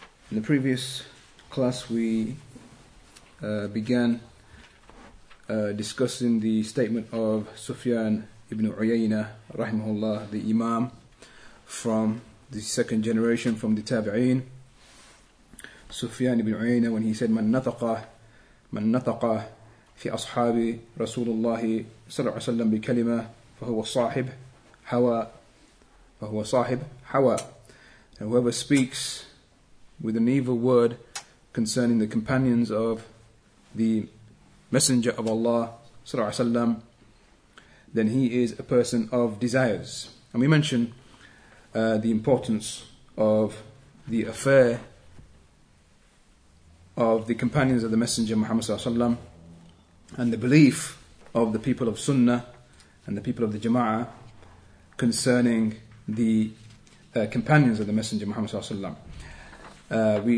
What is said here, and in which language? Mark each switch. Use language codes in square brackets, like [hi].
[en] In the previous class, we began discussing the statement of Sufyan ibn Uyayna, rahimahullah, the Imam from the second generation from the Tabi'een. [ar] Sufyan ibn Uyayna, [en] when he said, [ar] Man nataqa في أصحاب رسول الله صلى الله عليه وسلم بكلمة فهو صاحب حوى. [en] Whoever speaks with an evil word concerning the companions of the Messenger of Allah [ar] صلى الله عليه وسلم, [en] then he is a person of desires. And we mention the importance of the affair of the companions of the Messenger Muhammad [ar] صلى الله عليه وسلم, [en] and the belief of the people of Sunnah and the people of the Jama'ah concerning the companions of the Messenger Muhammad sallallahu alaihi wasallam.